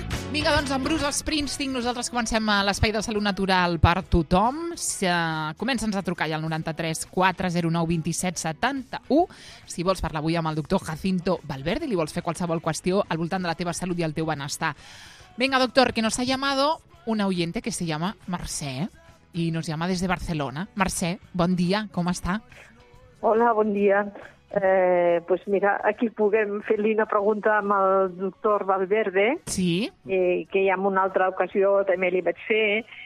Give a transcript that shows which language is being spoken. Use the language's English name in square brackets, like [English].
[Catalan] Vinga, doncs, amb Bruce Springsteen, nosaltres comencem a l'Espai de Salut Natural per tothom. Comença'ns a trucar ja al 93 409 27 71. Si vols parlar avui amb el doctor Jacinto Valverde, li vols fer qualsevol qüestió al voltant de la teva salut i el teu benestar. Vinga, [Spanish] doctor, que nos ha llamado un oyente que se llama Mercè i nos llama des de Barcelona. [Catalan] Mercè, bon dia, com està? Hola, bon dia. [Spanish] Pues mira, [Catalan] aquí puguem fer-li una pregunta amb el doctor Valverde. Sí. Que ja en una altra ocasió també li vaig fer.